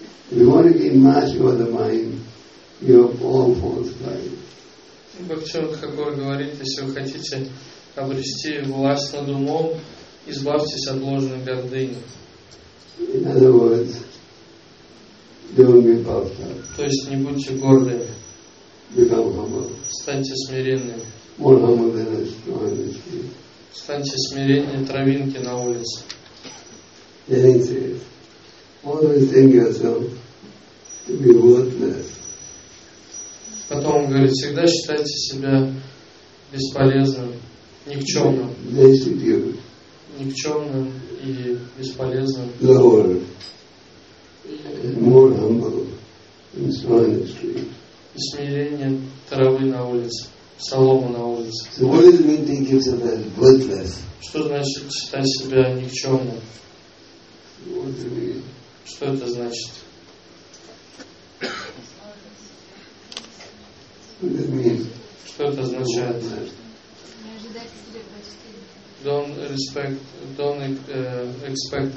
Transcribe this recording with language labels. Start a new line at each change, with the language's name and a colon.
English: We want to gain mastery of the mind. You have all false pride.
Russian: Бхактивинода Тхакур говорит, если вы хотите обрести власть над умом, избавьтесь от ложной гордыни.
English: In other words, don't be puffed up.
Russian: То есть не будьте гордыми.
English: Become humble.
Russian: Станьте смиренными.
English: More humble than a straw in the street.
Russian: Станьте смиреннее травинки на улице.
English: Then he says, always think yourself to be worthless.
Russian: Потом он говорит, всегда считайте себя бесполезным, никчемным.
English: Destitute.
Russian: Никчемным и бесполезным.
English: Lower. More humble than a straw in the street.
Russian: И смиреннее травы на улице. Солому на улице.
English: So what does it mean to give yourself as worthless?
Russian: Что значит считать себя никчемным?
English: What do you mean?
Russian: Что это значит?
English: What does it mean?
Russian: Что это означает? Не ожидайте себе почтения.
English: Don't expect